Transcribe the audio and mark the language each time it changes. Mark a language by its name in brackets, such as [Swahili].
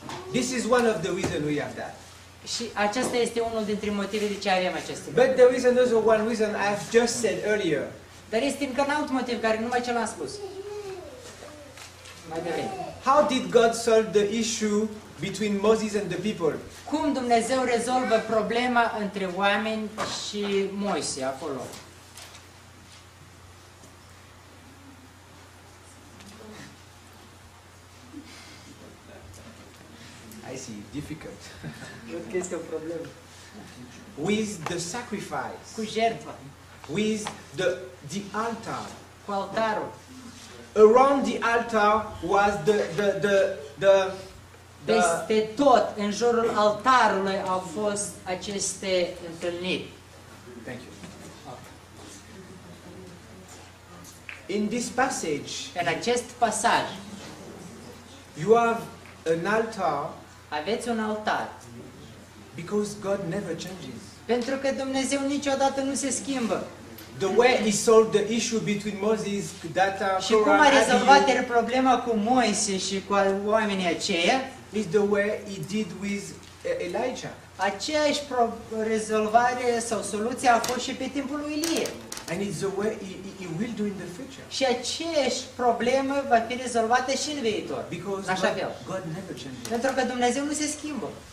[English] This is one of the reasons we have that. [Romanian] Și acesta este unul dintre motivele de ce avem aceste lucruri. [English] But there is another one reason I've just said earlier. [Romanian] Dar este încă un alt motiv care numai ce l-am spus. Mai devreme. [English] How did God solve the issue between Moses and the people? [Romanian] Cum Dumnezeu rezolvă problema între oameni și Moise acolo? [English] I see, difficult. [Romanian] Ce este o problemă? [English] With the sacrifice. [Romanian] Cu jertfa. [English] With the altar. [Romanian] Cu altarul. [English] Around the altar was the [Romanian] peste tot în jurul altarului au fost aceste întâlniri. [English] Thank you. In this passage. [Romanian] În acest pasaj. [English] You have an altar. [Romanian] Aveți un altar. [English] Because God never changes. [Romanian] Pentru că Dumnezeu niciodată nu se schimbă. [English] The way he solved the issue between Moses, Datan, [Romanian] și cum a rezolvat el problema cu Moise și cu oamenii aceia? [English] Is the way he did with Elijah. [Romanian] Aceeași rezolvare sau soluția a fost și pe timpul lui Ilie. [English] And it's the way he will do in the future. [Romanian] Și aceeași problemă va fi rezolvată și în viitor. [English] Because [Romanian] așa fel. [English] God never changes. [Romanian] Pentru că Dumnezeu nu se schimbă.